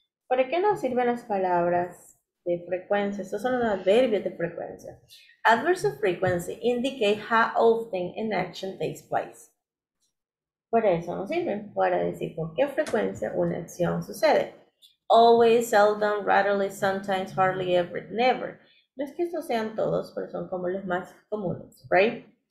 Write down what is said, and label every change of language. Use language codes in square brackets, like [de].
[es] ¿Para qué nos sirven las palabras de frecuencia? Estos son los adverbios de frecuencia. [en] Adverbs of frequency indicate how often an action takes place. [es] Por eso nos sirve, para decir con qué frecuencia una acción sucede. [en] Always, seldom, rarely, sometimes, hardly, ever, never. [es] No es que estos sean todos, pero son como los más comunes, right?